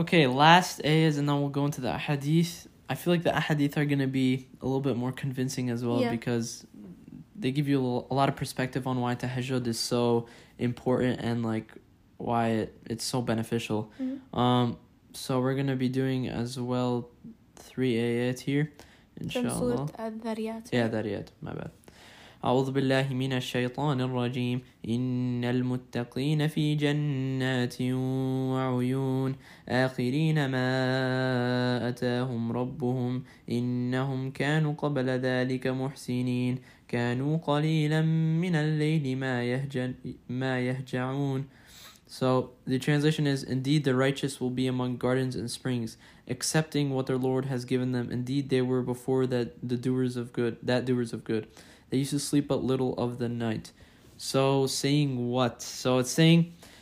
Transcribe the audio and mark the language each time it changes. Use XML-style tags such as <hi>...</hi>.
<en>Okay, last ayahs, and then we'll go into the ahadith. I feel like the ahadith are going to be a little bit more convincing as well, yeah, because they give you a lot of perspective on why tahajjud is so important and like why it's so beneficial. Mm-hmm. So we're going to be doing as well 3 ayahs here, inshallah. Yeah, dariyat, my bad.</en> <ar>أعوذ بالله من الشيطان الرجيم إن المتقين في جنات وعيون آخرين ما أتاهم ربهم إنهم كانوا قبل ذلك محسنين كانوا قليلا من الليل ما يهجعون.</ar> <en>So the translation is, indeed the righteous will be among gardens and springs, accepting what their Lord has given them. Indeed they were before that doers of good. They used to sleep but little of the night. So saying what? So it's saying,</en>